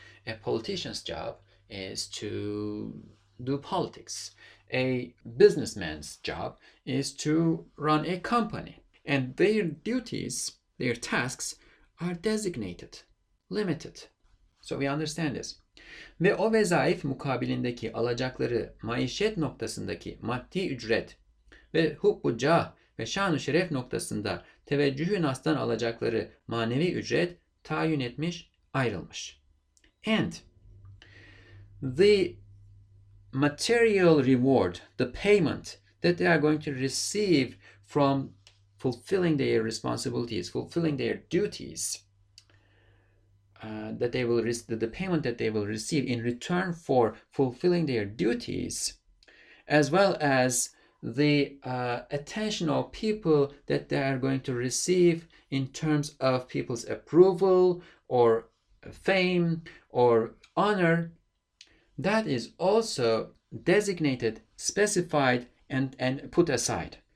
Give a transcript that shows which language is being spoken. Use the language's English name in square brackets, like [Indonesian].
[English] A politician's job is to do politics. A businessman's job is to run a company. And their duties, their tasks, are designated, limited. So we understand this. [Turkish] Ve o vezaif mukabilindeki alacakları maişet noktasındaki maddi ücret ve hubbu cah ve şan-ı şeref noktasında teveccühü nastan alacakları manevi ücret tayin etmiş, ayrılmış. [English] And the material reward, the payment that they are going to receive from fulfilling their responsibilities, fulfilling their duties, that they will receive, the payment that they will receive in return for fulfilling their duties, as well as the attention of people that they are going to receive in terms of people's approval or fame or honor, that is also designated, specified, and put aside.